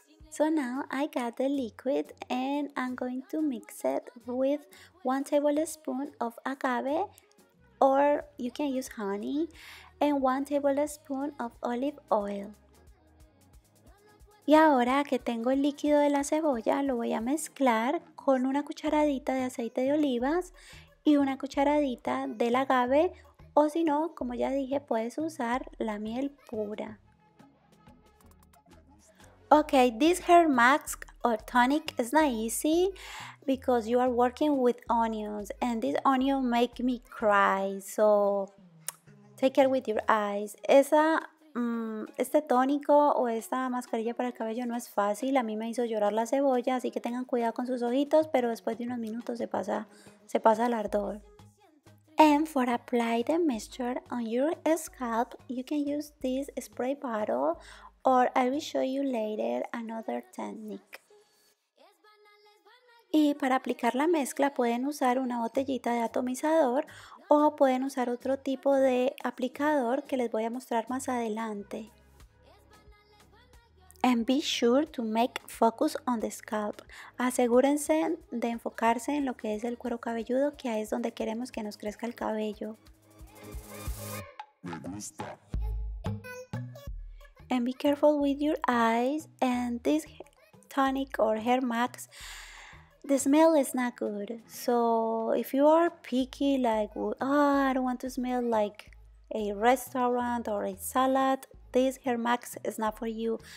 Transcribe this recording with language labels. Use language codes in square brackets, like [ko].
[en] So now I got the liquid and I'm going to mix it with 1 tablespoon of agave, or you can use honey, and 1 tablespoon of olive oil. [es] Y ahora que tengo el líquido de la cebolla, lo voy a mezclar con una cucharadita de aceite de olivas y una cucharadita del agave, o si no, como ya dije, puedes usar la miel pura. [en] Okay, this hair mask or tonic is not easy because you are working with onions and this onion make me cry, so take care with your eyes. [es] Este tónico o esta mascarilla para el cabello no es fácil, a mí me hizo llorar la cebolla, así que tengan cuidado con sus ojitos, pero después de unos minutos se pasa el ardor. [en] And for apply the mixture on your scalp, you can use this spray bottle, or I will show you later another technique. [es] Y para aplicar la mezcla pueden usar una botellita de atomizador o pueden usar otro tipo de aplicador que les voy a mostrar más adelante. [en] And be sure to make focus on the scalp. [es] Asegúrense de enfocarse en lo que es el cuero cabelludo, que ahí es donde queremos que nos crezca el cabello. [en] And be careful with your eyes, and this tonic or hair mask, the smell is not good. So if you are picky, like, oh, I don't want to smell like a restaurant or a salad, this hair mask is not for you.